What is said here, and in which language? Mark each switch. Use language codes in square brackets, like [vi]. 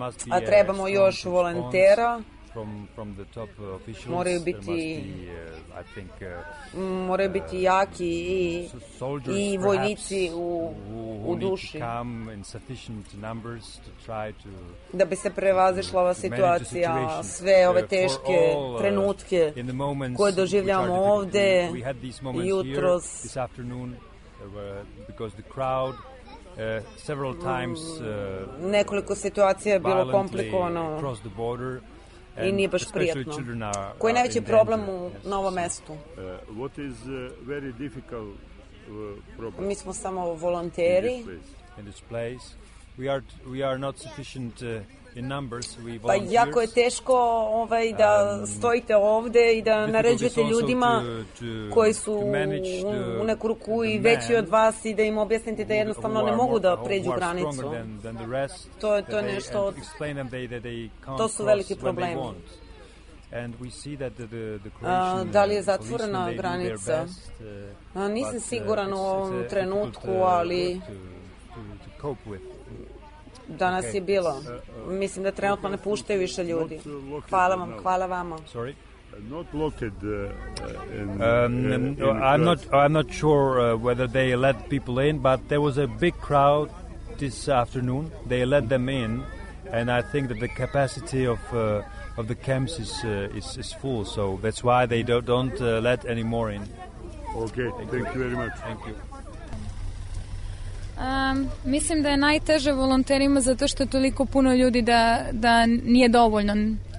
[sr] A trebamo još volontera. [en] from the top officials. [sr] Moraju biti, [en] I think, [sr] moraju biti jaki i vojnici u duši. [en] Need to come in sufficient numbers to try to, [sr] da bi se prevazišla ova situacija, sve ove teške trenutke koje doživljamo ovde jutros. [en] This afternoon, because the crowd several times [sr] nekoliko situacija je bilo komplikovano [en] across the border, [sr] i nije baš prijatno. Koji je najveći problem u novom mestu? [en] What is very difficult problem? [sr] Mi smo samo volonteri. [en] In this place we are not sufficient in numbers. We [sr] pa jako je teško da stojite ovde i da naređujete ljudima koji su u neku ruku i veći od vas i da im objasnite da jednostavno ne mogu da pređu granicu. To je nešto to su veliki problemi. [en] And we see that the [sr] da li je zatvorena granica? Nisam siguran u ovom trenutku, ali danas je bilo. Mislim da trenutno ne puštaju više ljudi. Hvala vam, hvala vama. [en] Sorry. Not located I'm not sure whether they let people in, but there was a big crowd this afternoon. They let them in, and I think that the capacity of the camps is full, so that's why they don't let any more in. Okay, thank you very much. Thank you. [sr] Mislim da je najteže volonterima zato što je toliko puno ljudi da nije dovoljno.